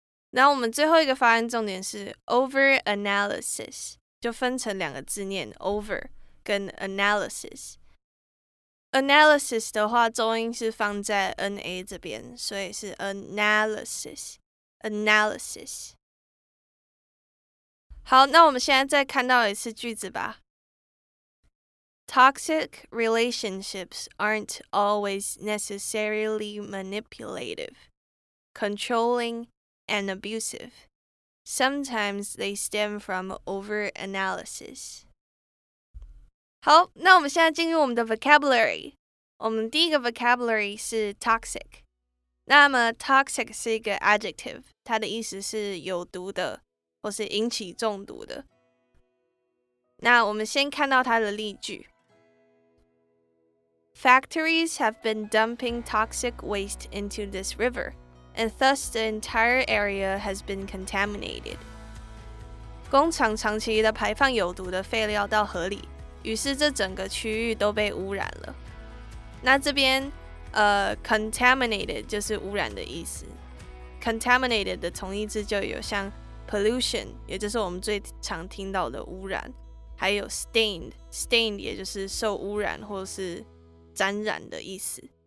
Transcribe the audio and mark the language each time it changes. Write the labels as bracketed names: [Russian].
[Chinese] 那我们最后一个发音重点是 over analysis， 就分成两个字念 over 跟 analysis。 analysis 的话重音是放在 na 这边，所以是 analysis， analysis。好，那我们现在再看到一次句子吧。 [English] Toxic relationships aren't always necessarily manipulative, controlling, and abusive. Sometimes they stem from overanalysis. [Chinese] 好，那我们现在进入我们的 vocabulary。我们第一个 vocabulary 是 toxic。那么 toxic 是一个 adjective， 它的意思是有毒的。或是引起中毒的。那我们先看到它的例句。 [English] Factories have been dumping toxic waste into this river, and thus the entire area has been contaminated. [Chinese] 工厂长期的排放有毒的废料到河里，于是这整个区域都被污染了。那这边contaminated 就是污染的意思。 Contaminated 的同义字就有像pollution， 也就是我们最常听到的污染，还有 stained 也就是受污染或是沾染的意思。